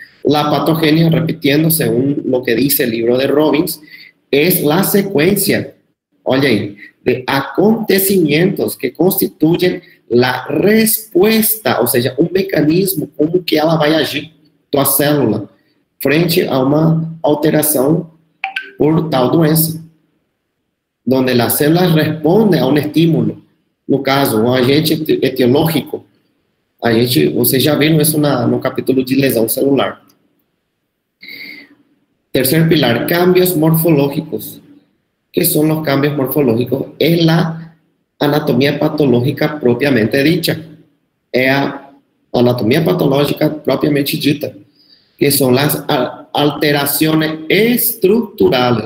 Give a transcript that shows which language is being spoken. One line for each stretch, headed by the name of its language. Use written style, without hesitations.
Spanish: La patogenia, repitiendo según lo que dice el libro de Robbins, es la secuencia, oye ahí, de acontecimientos que constituyen la respuesta, o sea, un mecanismo como que ella va a agir, tu célula, frente a una alteración por tal doença, donde la célula responde a un estímulo.
Portuguese: No caso, un agente etiológico, vocês já viram isso no capítulo de lesão celular.
Spanish: Tercer pilar, cambios morfológicos. ¿Qué son los cambios morfológicos? Es la anatomía patológica propiamente dicha. Es la anatomía patológica propiamente dita, que son las alteraciones estructurales.